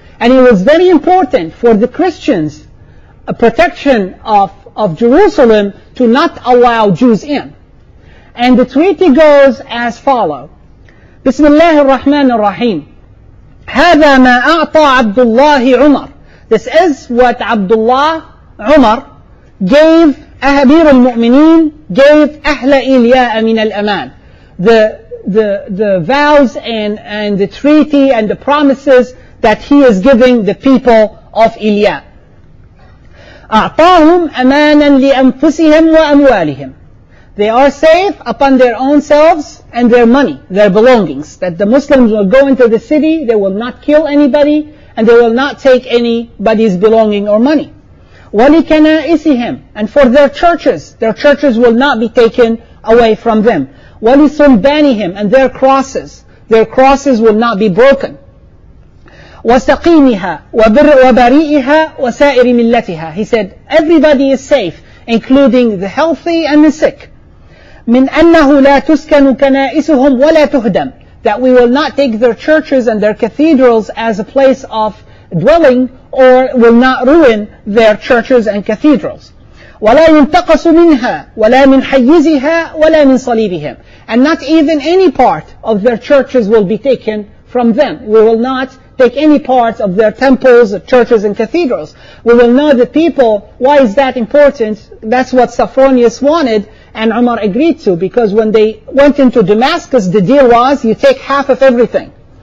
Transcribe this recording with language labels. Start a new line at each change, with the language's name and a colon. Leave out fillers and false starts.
English: And it was very important for the Christians, a protection of Jerusalem, to not allow Jews in. And the treaty goes as follows. Bismillah ar-Rahman ar-Rahim.
Arabic: هذا ما أعطى عبد الله عمر.
English: This is what Abdullah Umar gave
Arabic: أمير المؤمنين gave أهل إيليا من الأمان.
English: The vows and the treaty and the promises that he is giving the people of Eliya.
Arabic: أعطاهم أمانا لأنفسهم وأموالهم.
English: They are safe upon their own selves and their money, their belongings. That the Muslims will go into the city, they will not kill anybody, and they will not take anybody's belonging or money.
Arabic: ولكنائسهم,
English: and for their churches will not be taken away from them.
Arabic: ولصلبانهم,
English: and their crosses will not be broken.
Arabic: وسقيمها وبريئها وسائر ملتها.
English: He said, everybody is safe, including the healthy and the sick.
Arabic: من أنه لا تسكن كنائسهم ولا تهدم.
English: That we will not take their churches and their cathedrals as a place of dwelling, or will not ruin their churches and cathedrals.
Arabic: ولا ينتقص منها ولا من حيزها ولا من صليبهم.
English: And not even any part of their churches will be taken from them. We will not take any parts of their temples, churches, and cathedrals. We will know the people. Why is that important? That's what Sophronius wanted and Umar agreed to, because when they went into Damascus, the deal was you take half of everything.